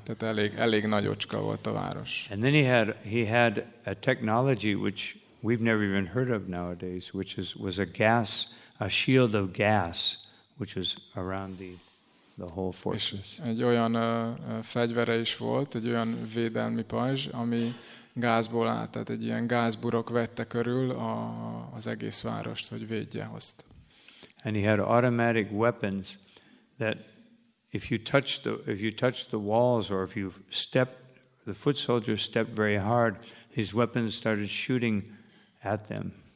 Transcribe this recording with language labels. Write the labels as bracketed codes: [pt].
[hu] Tehát elég nagyocska volt a város. [en] And then he had a technology which we've never even heard of nowadays, which was a shield of gas, which was around the whole fortress. [hu] És egy olyan fegyvere is volt, egy olyan védelmi pajzs, ami gázból állt, tehát egy ilyen gázburok vette körül az egész várost, hogy védje azt. [en] And he had automatic weapons that if you touched the walls or the foot soldiers stepped very hard, his weapons started shooting at them.